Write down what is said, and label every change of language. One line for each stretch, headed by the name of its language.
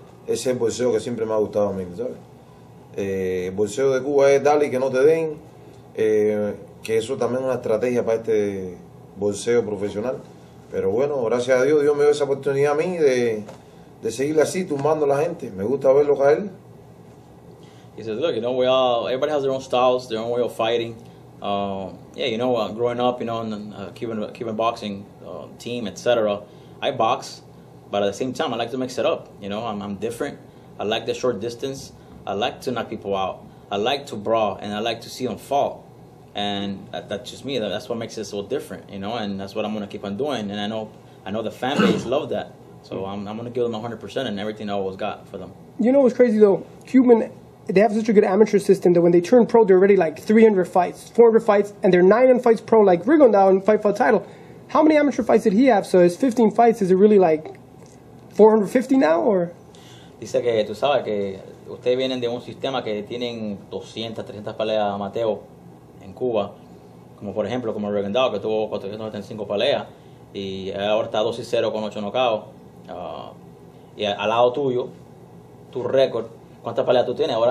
Spanish: Ese es el boxeo que siempre me ha gustado a mí, ¿sabes? El boxeo de Cuba es dale y que no te den, que eso también es una estrategia para este boxeo profesional. Pero bueno, gracias a Dios, Dios me dio esa oportunidad a mí de seguir así, tumbando a la gente. Me gusta verlo caer.
English: He says, look, you know, everybody has their own styles, their own way of fighting. Yeah, you know, growing up, you know, in the Cuban boxing team, etc., I box, but at the same time, I like to mix it up. You know, I'm different. I like the short distance. I like to knock people out. I like to brawl, and I like to see them fall. And that's just me. That's what makes it so different, you know, and that's what I'm going to keep on doing. And I know the fan base love that. So I'm going to give them 100% and everything I always got for them. You know what's crazy, though? Cuban, they have such a good amateur system that when they turn pro, they're already like 300 fights, 400 fights, and they're 900 fights pro, like Rigondeaux and fight for the title. How many amateur fights did he have? So his 15 fights, is it really like 450 now, or?
Spanish: Dice que tú sabes que ustedes vienen de un sistema que tienen 200, 300 peleas amateur en Cuba, como por ejemplo, como Rigondeaux, que tuvo 495 peleas, y ahora está 2-0 con 8 knockouts, y al lado tuyo, tu récord, ¿cuántas peleas tú tienes?